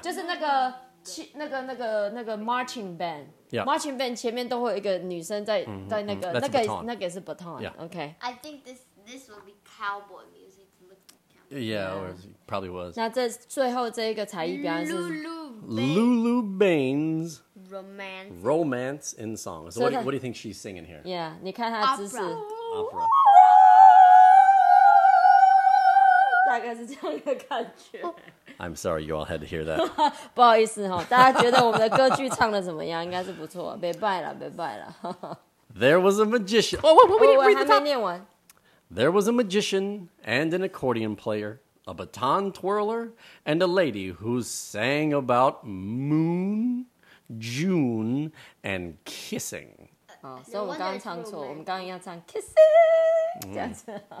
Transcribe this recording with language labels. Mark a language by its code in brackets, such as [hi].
[zh] 就是那个那个 marching band. [en] Yeah. [zh] Marching band 前面都会有一个女生在在那个那个是 baton. [en] Yeah. Okay. I think this will be cowboy music. Yeah, or probably was. [zh] 那这最后这一个才艺表演是 [en] Lulu Baines Romance in Song. So what do you think she's singing here? [zh] Yeah, 你看她姿势 [en] Opera [zh] 大概是这样的感觉 [en] I'm sorry you all had to hear that. [zh] 不好意思哈，大家觉得我们的歌剧唱的怎么样？应该是不错，别拜了，别拜了。 [en] There was a magician. Wait, [zh] 还没念完。 [en] There was a magician and an accordion player, a baton twirler, and a lady who sang about moon, June, and kissing. So we're going to sing wrong. We're going to sing kissing.